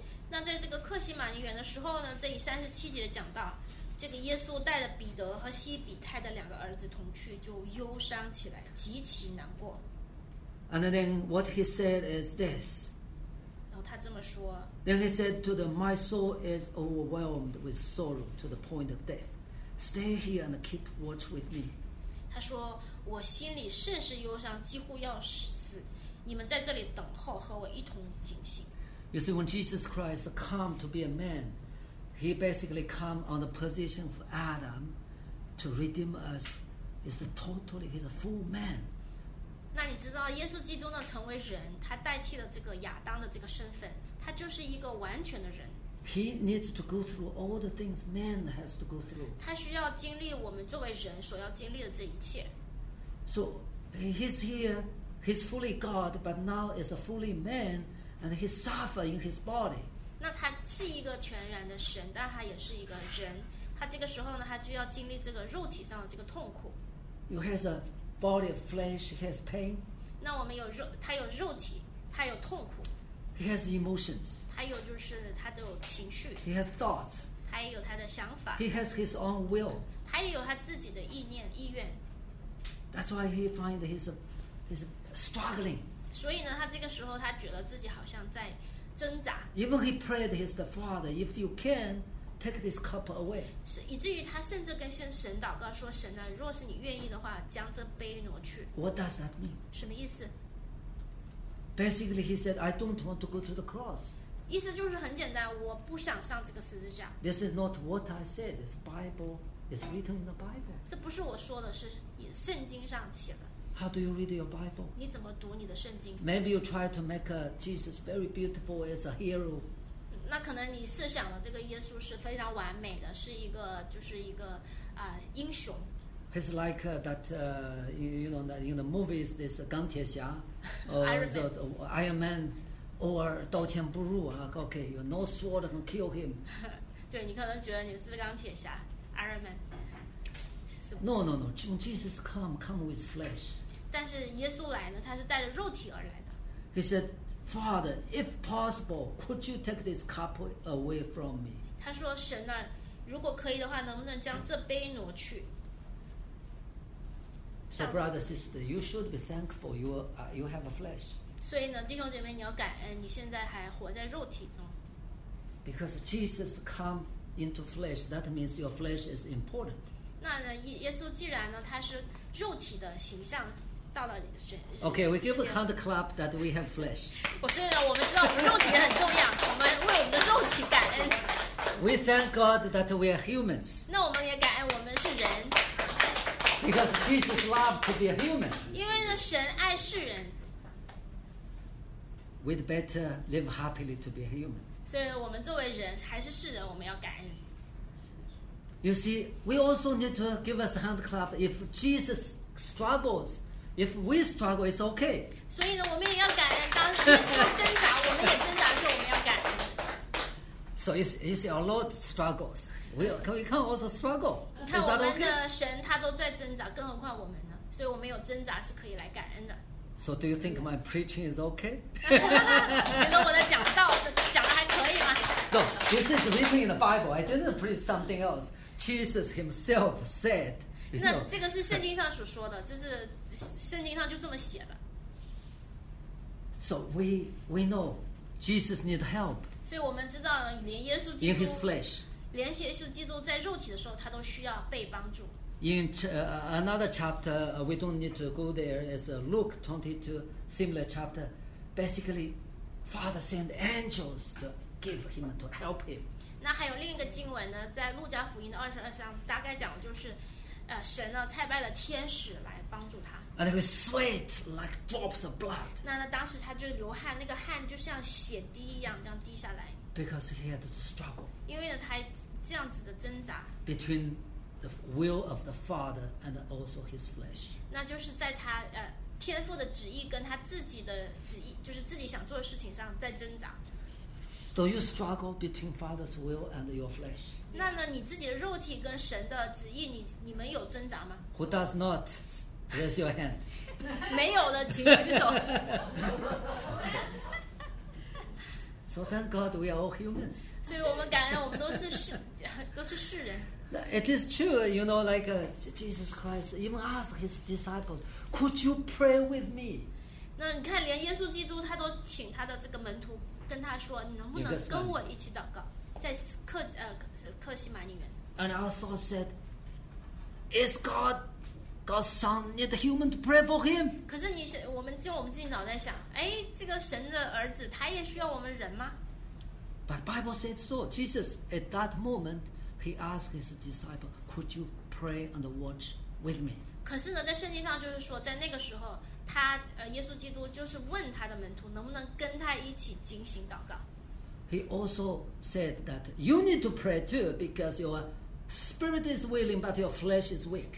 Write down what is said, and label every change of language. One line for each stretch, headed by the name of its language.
Chinese: 那在这个客西马尼园的时候呢，这里37讲到。这个耶稣带着彼得和西比泰的两个儿子同去，就忧伤起来，极其难过。
English: And then what he said is this.
Chinese: 然后他这么说。
English: Then he said to them, "My soul is overwhelmed with sorrow to the point of death. Stay here and keep watch with me."
Chinese: 他说：“我心里甚是忧伤，几乎要死。你们在这里等候，和我一同警醒。”
English: You see, when Jesus Christ came to be a man. He basically come on the position of Adam to redeem us. He's a totally, he's a full man.
Chinese: 那你知道耶稣基督呢成为人，他代替了这个亚当的这个身份，他就是一个完全的人。
English: He needs to go through all the things man has to go through.
Chinese: 他需要经历我们作为人所要经历的这一切。
English: So he's here, he's fully God, but now is a fully man, and he suffer in his body.
Chinese: 那他是一个全然的神，但他也是一个人。他这个时候呢，他就要经历这个肉体上的这个痛苦。
English: He has a body of flesh. He has pain.
Chinese: 那我们有肉，他有肉体，他有痛苦。
English: He has emotions.
Chinese: 他有就是他都有情绪。
English: He has thoughts.
Chinese: 他也有他的想法。
English: He has his own will.
Chinese: 他也有他自己的意念意愿。
English: That's why he finds he's struggling.
Chinese: 所以呢，他这个时候他觉得自己好像在。
English: Even he prayed his father, if you can, take this cup away.
Chinese: 是以至于他甚至跟神祷告说：“神啊，若是你愿意的话，将这杯挪去。”
English: What does that mean?
Chinese: 什么意思？
English: Basically, he said, I don't want to go to the cross.
Chinese: 意思就是很简单，我不想上这个十字架。
English: This is not what I said. It's Bible. It's written in the Bible.
Chinese: 这不是我说的，是圣经上写的。
English: How do you read your Bible?
Chinese: 你怎么读你的圣经？
English: Maybe you try to make a Jesus very beautiful as a hero.
Chinese: 那可能你设想的这个耶稣是非常完美的，是一个就是一个啊、英雄。
English: It's like that, you know, in the movies, this 钢铁侠 Iron Man, or
Chinese: 刀枪不入
English: okay, you no sword can kill him.
Chinese: 对，你可能觉得你是钢铁侠 Iron Man.
English: No, no, no. Jesus come with flesh.
Chinese: 但是耶稣来呢，他是带着肉体而来的。
English: He said, Father, if possible, could you take this cup away from me?
Chinese: 他说，神啊，如果可以的话，能不能将这杯挪去？
English: So, brother, sister, you should be thankful you have a flesh.
Chinese: 所以呢，弟兄姐妹，你要感恩，你现在还活在肉体中。
English: Because Jesus come into flesh, that means your flesh is important.
Chinese: 那耶稣既然呢，他是肉体的形象，到了神。
English: Okay, we give a hand clap that we have flesh.
Chinese: 我说呢，我们知道我们肉体很重要，我们为我们的肉体感恩。
English: We thank God that we are humans.
Chinese: 那我们也感恩我们是人。
English: Because Jesus loved to be a human.
Chinese: 因为呢，神爱世人。
English: We'd better live happily to be a human.
Chinese: 所以我们作为人还是世人，我们要感恩。
English: You see, we also need to give us a hand clap. If Jesus struggles, if we struggle, it's okay.
Chinese: 所以呢，我们也要感恩。当耶稣挣扎，我们也挣扎，所以我们要感恩。
English: So it's our Lord struggles. We can also struggle.
Chinese: 你看我们的神，他都在挣扎，更何况我们呢？所以我们有挣扎是可以来感恩的。
English: So do you think my preaching is okay?
Chinese: 觉得我的讲道讲的还可以吗
English: ？No, this is written in the Bible. I didn't preach something else. Jesus himself said.
Chinese: 那这个是圣经上所说的，这是圣经上就这么写的。
English: So we know Jesus need help.
Chinese: 所以我们知道，连耶稣基督。
English: In his flesh.
Chinese: 连耶稣基督在肉体的时候，他都需要被帮助。
English: In another chapter, we don't need to go there. It's Luke 22, similar chapter. Basically, Father sent angels to give him to help him.
Chinese: 那还有另一个经文呢，在路加福音的22章，大概讲就是，神呢差派了天使来帮助他。
English: And he sweat like drops of blood.
Chinese: 那当时他就流汗，那个汗就像血滴一样这样滴下来。
English: Because he had to struggle.
Chinese: 因为呢，他这样子的挣扎。
English: Between the will of the Father and also his flesh.
Chinese: 那就是在他天父的旨意跟他自己的旨意，就是自己想做的事情上在挣扎。
English: So you struggle between Father's will and your flesh.
Chinese: 那呢，你自己的肉体跟神的旨意，你们有挣扎吗
English: ？Who does not? Raise your hand.
Chinese: 没有的，请举手。
English: So thank God we are all humans.
Chinese: 所以我们感恩，我们都是世人。
English: It is true, you know, like Jesus Christ even asked his disciples, "Could you pray with me?"
Chinese: 那你看，连耶稣基督他都请他的这个门徒跟他说，你能不能跟我一起祷告，在克西马尼园。
English: And our Lord said, "Is God God's son need a human to pray for him?"
Chinese: 可是你想，我们自己脑袋想，哎，这个神的儿子，他也需要我们人吗
English: ？But Bible said so. Jesus at that moment he asked his disciple, "Could you pray and watch with me?"
Chinese: 可是呢，在圣经上就是说，在那个时候，他耶稣基督就是问他的门徒，能不能跟他一起警醒祷告
English: ？He also said that you need to pray too because you are. Spirit is willing, but your flesh is weak.